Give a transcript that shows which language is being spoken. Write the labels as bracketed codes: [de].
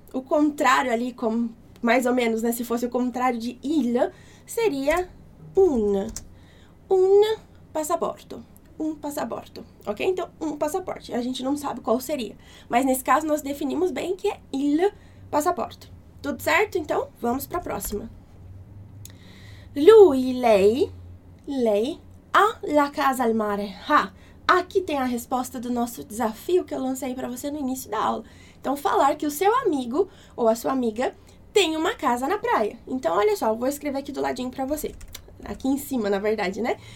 [pt] O contrário ali, como mais ou menos, né? Se fosse o contrário de il, seria [it] un passaporto. [pt] Um passaporto, ok? Então, um passaporte. A gente não sabe qual seria. Mas nesse caso, nós definimos bem que é [it] il passaporto. [pt] Tudo certo? Então, vamos para a próxima. [it] Lui, lei, ha la casa al mare. Ha! [pt] Aqui tem a resposta do nosso desafio que eu lancei para você no início da aula. Então, falar que o seu amigo ou a sua amiga tem uma casa na praia. Então, olha só, eu vou escrever aqui do ladinho para você. Aqui em cima, na verdade, né?